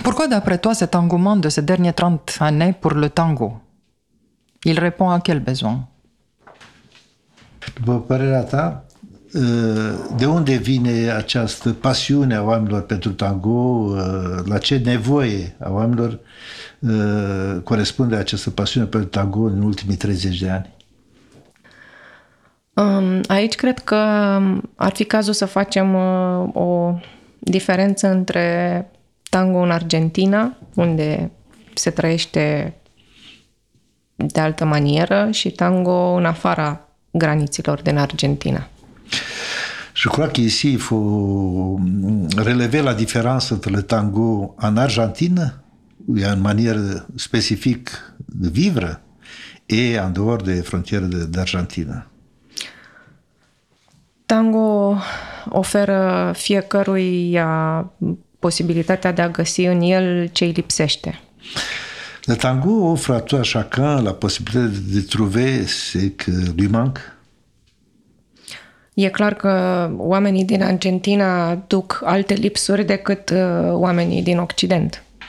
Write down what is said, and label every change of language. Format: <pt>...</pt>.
<fr>D'après toi, cet engouement de ces dernières 30 années pour le tango, il répond à quel besoin?</fr> <ro>După părerea ta, de unde vine această pasiune a oamenilor pentru tango, la ce nevoie a oamenilor corespunde această pasiune pentru tango în ultimii 30 de ani? Aici cred că ar fi cazul să facem o diferență între tango în Argentina, unde se trăiește de altă manieră, și tango în afara granițelor din Argentina.</ro> <fr>Je crois qu'ici il faut relever la différence entre le tango en Argentine, où il y a une manière spécifique de vivre, et en dehors des frontières d'Argentine.</fr> <ro>Tango oferă fiecărui posibilitatea de a găsi în el ce îi lipsește.</ro> <fr>Le tango offre à tout à chacun la possibilité de trouver ce que lui manque.</fr> <ro>E clar că oamenii din Argentina duc alte lipsuri decât oamenii din Occident.</ro>